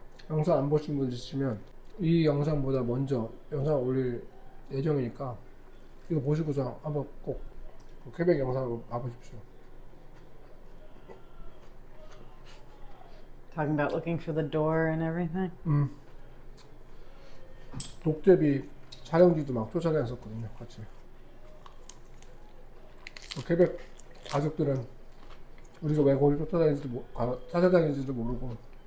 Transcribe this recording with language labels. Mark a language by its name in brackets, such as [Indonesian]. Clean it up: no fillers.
[Korean] 영상 안 보신 분들 있으면 이 영상보다 먼저 영상 올릴 예정이니까 이거 보시고서 한번 꼭 퀘벡 영상을 봐보십시오. [English] Talking about looking for the door and everything. [Korean] 독재비 촬영지도 막 쫓아다녔었거든요, 같이. 퀘벡 가족들은 우리가 왜 거기 쫓아다니는지도 찾아다니는지도 모르고.